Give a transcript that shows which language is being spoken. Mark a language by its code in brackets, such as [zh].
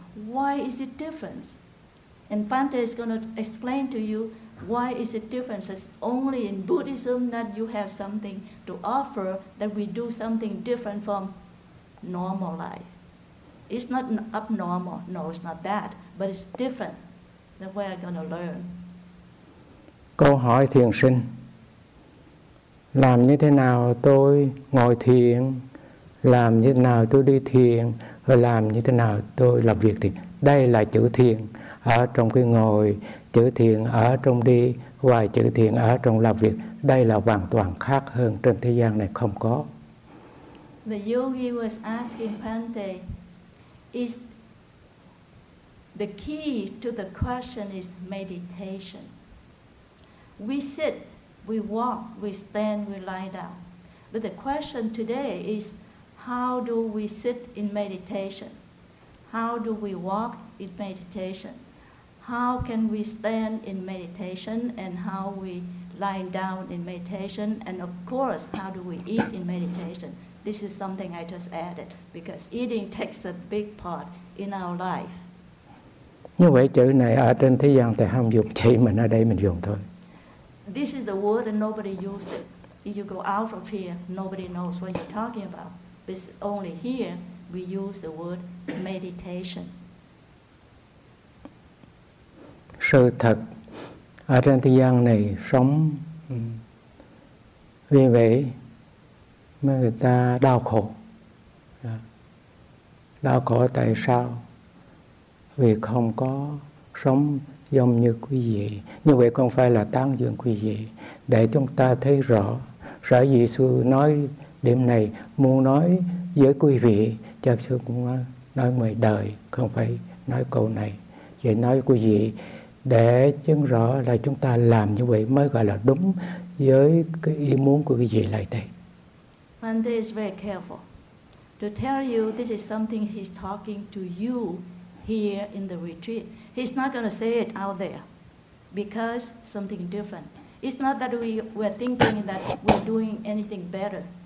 [en] Why is it different? And Bhante is going to explain to you why is it different. It's only in Buddhism that you have something to offer, that we do something different from normal life. It's not abnormal. No, it's not that. But it's different than what we're going to learn. [vi] Câu hỏi thiền sinh, làm như thế nào tôi ngồi thiền, làm như thế nào tôi đi thiền, và làm như thế nào tôi làm việc thiền. Đây là chữ thiền ở trong cái ngồi, chữ thiền ở trong đi, và chữ thiền ở trong làm việc. Đây là hoàn toàn khác hơn, trên thế gian này không có. [en] The yogi was asking Bhante, is the key to the question is meditation. We sit, we walk, we stand, we lie down. But the question today is, how do we sit in meditation? How do we walk in meditation? How can we stand in meditation? And how we lie down in meditation? And of course, how do we eat in meditation? This is something I just added, because eating takes a big part in our life. [vi] Như vậy chữ này ở trên thế gian thì không dùng, chỉ mình ở đây mình dùng thôi. [en] This is the word and nobody used it. If you go out of here, nobody knows what you're talking about. This is only here we use the word meditation. [vi] Sự thật, ở trên thế gian này sống vì vậy mà người ta đau khổ. Đau khổ tại sao? Vì không có sống giống như quý vị. Như vậy không phải là tán dương quý vị. Để chúng ta thấy rõ, sở dĩ sư nói điểm này, muốn nói với quý vị, cho sư cũng nói ngoài đời, không phải nói câu này. Vậy nói quý vị, để chứng rõ là chúng ta làm như vậy mới gọi là đúng với cái ý muốn của quý vị lại đây. [en] Bhante is very careful to tell you this is something he's talking to you here in the retreat. He's not going to say it out there because something different. It's not that we're thinking that we're doing anything better.